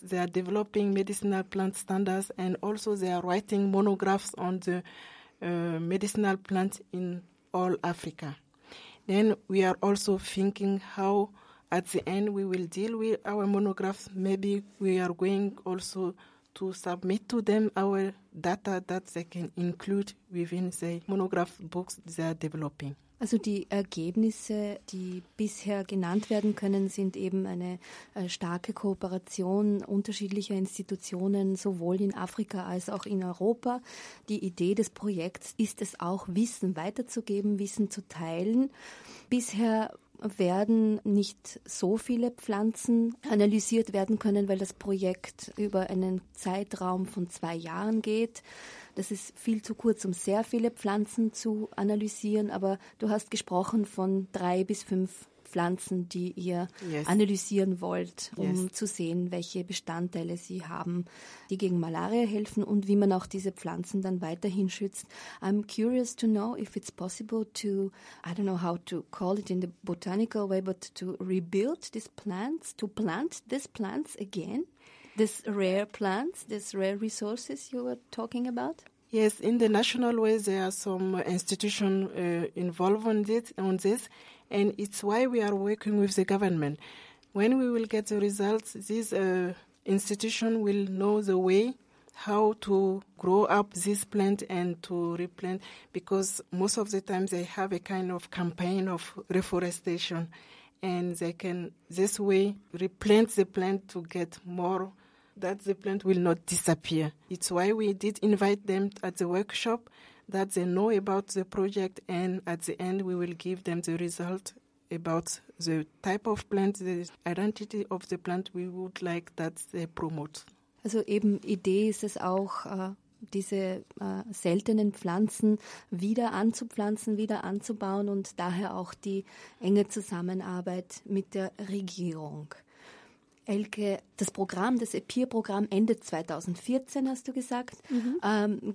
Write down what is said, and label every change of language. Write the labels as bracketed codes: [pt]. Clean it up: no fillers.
[en] They are developing medicinal plant standards, and also they are writing monographs on the medicinal plants in all Africa. Then we are also thinking how at the end we will deal with our monographs. Maybe we are going also to submit to them our data that they can include within the monograph books they are developing. [de] Also die Ergebnisse, die bisher genannt werden können, sind eben eine starke Kooperation unterschiedlicher Institutionen, sowohl in Afrika als auch in Europa. Die Idee des Projekts ist es auch, Wissen weiterzugeben, Wissen zu teilen. Bisher werden nicht so viele Pflanzen analysiert werden können, weil das Projekt über einen Zeitraum von 2 Jahren geht. Das ist viel zu kurz, um sehr viele Pflanzen zu analysieren. Aber du hast gesprochen von 3 bis 5 Pflanzen, die ihr analysieren wollt, um zu sehen, welche Bestandteile sie haben, die gegen Malaria helfen und wie man auch diese Pflanzen dann weiterhin schützt. [en] I'm curious to know if it's possible to, I don't know how to call it in the botanical way, but to rebuild these plants, to plant these plants again, these rare plants, these rare resources you were talking about? Yes, in the national way, there are some institutions involved on this, and it's why we are working with the government. When we will get the results, this institution will know the way how to grow up this plant and to replant, because most of the time they have a kind of campaign of reforestation, and they can this way replant the plant to get more, that the plant will not disappear. It's why we did invite them at the workshop, that they know about the project, and at the end we will give them the result about the type of plant, the identity of the plant we would like that they promote. [de] Also eben Idee ist es auch, diese seltenen Pflanzen wieder anzupflanzen, wieder anzubauen und daher auch die enge Zusammenarbeit mit der Regierung. Elke, das Programm, das EPIR-Programm endet 2014, hast du gesagt. Mhm.